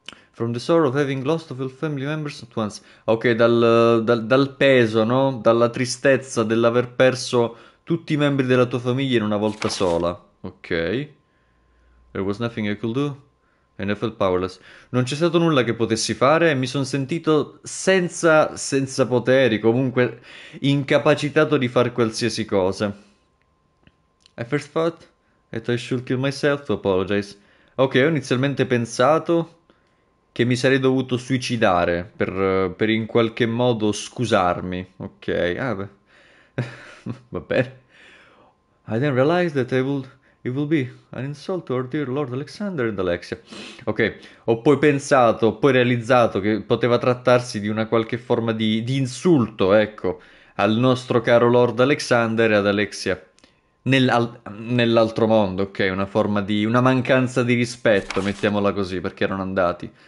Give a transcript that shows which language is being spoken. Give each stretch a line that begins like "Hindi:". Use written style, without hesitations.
English: From the sorrow of having lost of your family members at once.
Italian: Ok, dal peso, no? Dalla tristezza dell'aver perso tutti i membri della tua famiglia in una volta sola. Ok.
English: There was nothing I could do and I felt powerless.
Italian: Non c'è stato nulla che potessi fare e mi sono sentito senza poteri, comunque incapacitato di fare qualsiasi cosa.
English: I first thought that I should kill myself to apologize.
Italian: Ok, ho inizialmente pensato che mi sarei dovuto suicidare per in qualche modo scusarmi. Ok, ah beh. Va bene.
English: I then realized that it will be an insult to our dear Lord Alexander and Alexia.
Italian: Ok, ho poi realizzato che poteva trattarsi di una qualche forma di insulto, ecco, al nostro caro Lord Alexander e ad Alexia. Nell'altro mondo, ok, una mancanza di rispetto, mettiamola così, perché erano andati.